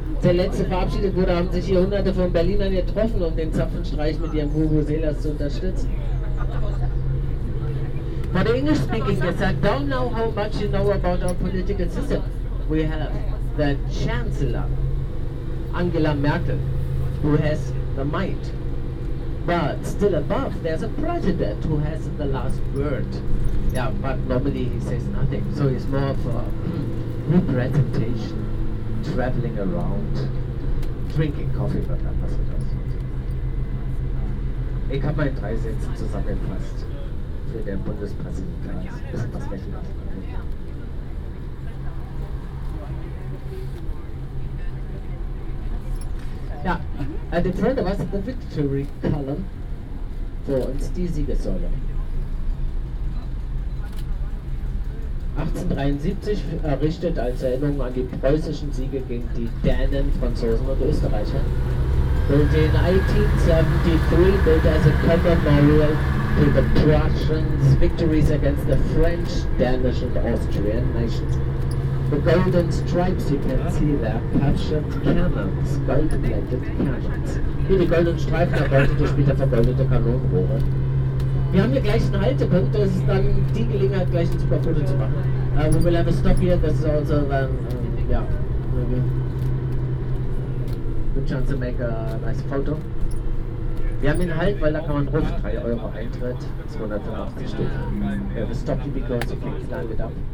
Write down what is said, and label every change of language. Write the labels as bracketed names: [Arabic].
[German] Der letzte verabschiedet wurde, haben sich hier hunderte von Berlinern getroffen, um den Zapfenstreich mit ihrem Hugo Seelers zu unterstützen. [English] For the English speaking, yes, I don't know how much you know about our political system. We have the Chancellor, Angela Merkel, who has the might. But still above, there's a president who has the last word. Yeah, but normally he says nothing. So it's more of a representation, traveling around, drinking coffee, but that was it also. [German] Ich habe meine drei Sätze zusammengefasst für den Bundespräsidenten. Ein bisschen was weggelassen. [English] Ja, in front of us the victory column [German] vor uns, die Siegessäule. 1873 errichtet als Erinnerung an die preußischen Siege gegen die Dänen, Franzosen und Österreicher. [English] Und in 1873 built as a commemorial to the Prussians' victories against the French, Danish and Austrian nations. The golden stripes, you can see there, captured cannons, gold-plated cannons. [German] Hier die goldenen Streifen, erbeutete später vergoldete Kanonenrohre. Wir haben hier gleich einen Haltepunkt, das ist dann die Gelegenheit, gleich ein super Foto zu machen. [English] We will have a stop here, this is also, good chance to make a nice photo. [German] Wir haben einen Halt, weil da kann man ruf, 3 Euro Eintritt, 285 Stück. [English] We have a stop here because you can climb it up.